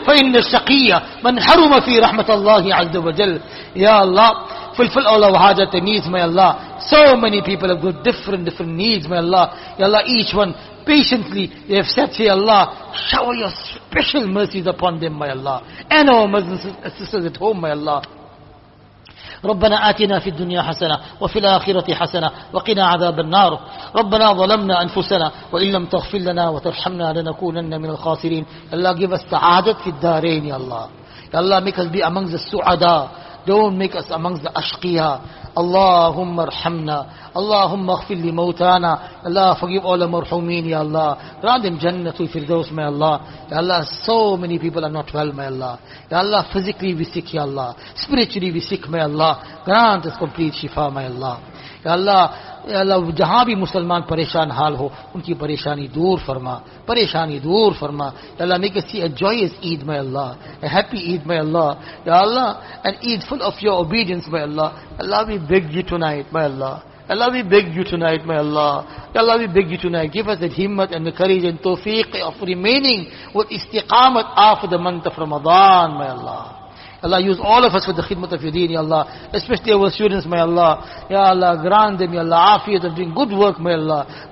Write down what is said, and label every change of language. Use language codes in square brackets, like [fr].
[ar] فَإِنَّ الشَّقِيَّ مَنْ حَرُمَ فِي رَحْمَةَ اللَّهِ عَزَّ وَجَلَّ [en] Ya Allah, fulfill all our hajat and needs, my Allah. So many people have got different needs, my Allah. Ya Allah, each one patiently, they have said, Ya Allah, shower your special mercies upon them, my Allah. And our Muslim sisters at home, my Allah. [ar] ربنا آتنا في الدنيا حسنة وفي الآخرة حسنة وقنا عذاب النار ربنا ظلمنا أنفسنا وإن لم تغفر لنا وترحمنا لنكونن من الخاسرين [en] Allah give us [ar] سعادة في الدارين يا الله [en] Allah make us be amongst the سعداء Don't make us amongst the أشقياء [ar] اللهم ارحمنا اللهم اغفر لموتانا [en] Allah forgive all the مرحومين يا الله Grant them جنة في الدوس يا الله يا الله so many people are not well يا الله يا الله physically we sick يا الله spiritually we sick يا الله Grant us complete شفاء يا الله يا الله يا الله [ur] جہاں بھی مسلمان پریشان حال ہو ان کی پریشانی دور فرما [en] پریشانی دور فرما يا الله make us see a joyous Eid يا الله a happy Eid يا الله يا الله an Eid full of your obedience يا الله Allah we beg you tonight يا الله Allah, we beg you tonight, my Allah. Allah, we beg you tonight. Give us that himmat and the courage and tawfiq of remaining with istiqamat after the month of Ramadan, my Allah. Allah, use all of us for the khidmat of your deen, ya Allah. Especially our students, my Allah. Ya Allah, grant them, ya Allah, afiyat of doing good work, my Allah.